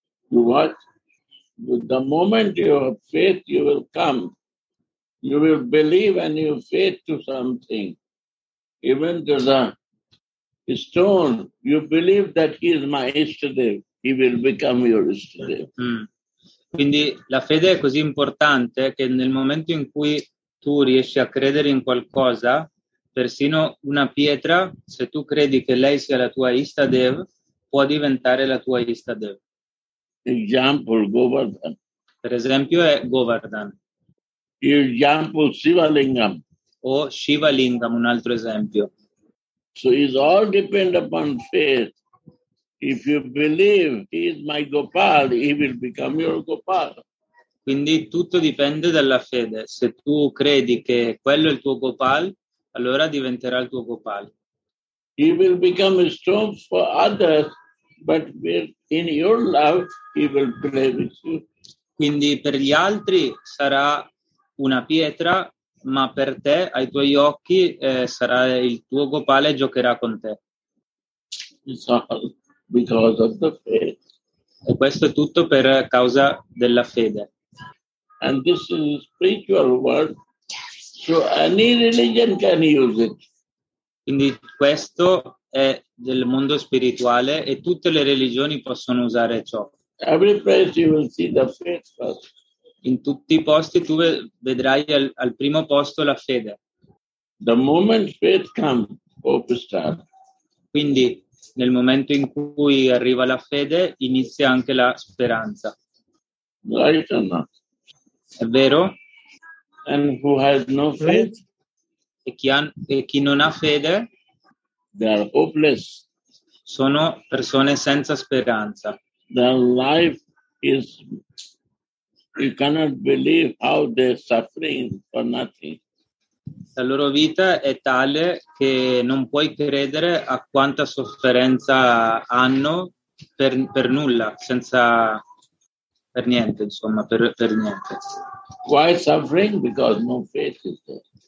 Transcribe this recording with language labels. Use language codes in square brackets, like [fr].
[en] What? The moment you have faith, you will come. You will believe and you have faith to something. Even to the stone, you believe that he is my Ishtadev, he will become your Ishtadev. Mm. [it] Quindi la fede è così importante che nel momento in cui tu riesci a credere in qualcosa, persino una pietra, se tu credi che lei sia la tua Ishtadev, può diventare la tua Ishtadev. [en] Example, Govardhan. [it] Per esempio è Govardhan. [en] Example, Shivalingam. [it] O Shivalingam, un altro esempio. [en] So it all depends upon faith. If you believe he is my Gopal, he will become your Gopal. [it] Quindi tutto dipende dalla fede. Se tu credi che quello è il tuo Gopal, allora diventerà il tuo Gopal. [en] He will become strong for others, but in your love he will play with you. [it] Quindi per gli altri sarà una pietra, ma per te, ai tuoi occhi, sarà il tuo Gopal e giocherà con te. [en] It's all because of the faith. [it] E questo è tutto per causa della fede. [en] And this is a spiritual word, so any religion can use it. [it] Quindi questo è del mondo spirituale e tutte le religioni possono usare ciò. [en] Every place you will see the faith first. [it] In tutti i posti tu vedrai al primo posto la fede. [en] The moment faith comes, hope starts. [it] Quindi nel momento in cui arriva la fede inizia anche la speranza. [en] Right or not? [it] È vero? [en] And who has no faith? [it] E chi non ha fede? [en] They are hopeless. [it] Sono persone senza speranza. [en] Their life is... You cannot believe how they're suffering for nothing. [it] La loro vita è tale che non puoi credere a quanta sofferenza hanno per nulla, senza per niente, insomma, per niente. [en] Why suffering? Because no faith is there.